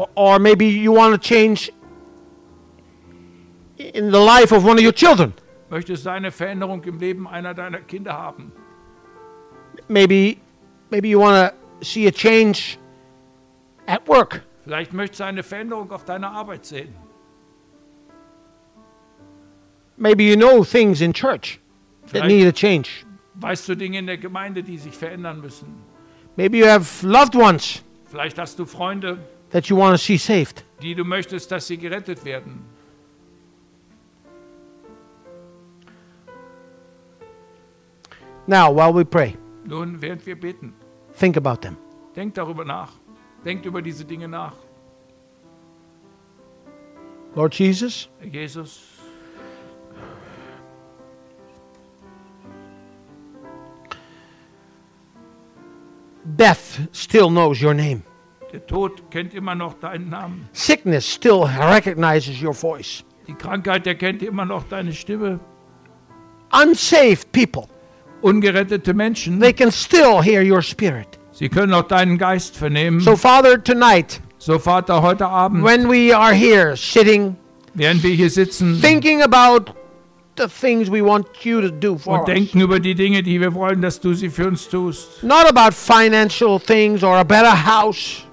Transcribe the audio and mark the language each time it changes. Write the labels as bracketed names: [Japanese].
[English] Or maybe you want a change in the life of one of your children? [German] Möchtest du eine Veränderung im Leben einer deiner Kinder haben? [English] Maybe you want to see a change at work. [German] Vielleicht möchtest du eine Veränderung auf deiner Arbeit sehen. [English] Maybe you know things in church that need a change. [German] Weißt du Dinge in der Gemeinde, die sich verändern müssen? [English] Maybe you have loved ones. [German] Vielleicht hast du Freunde, [English] that you want to see saved. [German] Die du möchtest, dass sie gerettet werden. [English] Now, while we pray. [German] Nun, während wir beten. [English] Think about them. [German] Denk darüber nach. Denk über diese Dinge nach. [English] Lord Jesus. [German] Jesus. [English] Death still knows your name. [German] Der Tod kennt immer noch deinen Namen. [English] Sickness still recognizes your voice. [German] Die Krankheit erkennt immer noch deine Stimme. [English] Unsaved people. [German] Ungerettete Menschen. [English] They can still hear your spirit. [German] Sie können auch deinen Geist vernehmen. [English] So Father, tonight. [German] So Vater, heute Abend. [English] When we are here sitting. [German] Während wir hier sitzen. [English] Thinking about the things we want you to do for us. [German] Und denken über die Dinge, die wir wollen, dass du sie für uns tust. [English] Not about financial things or a better house.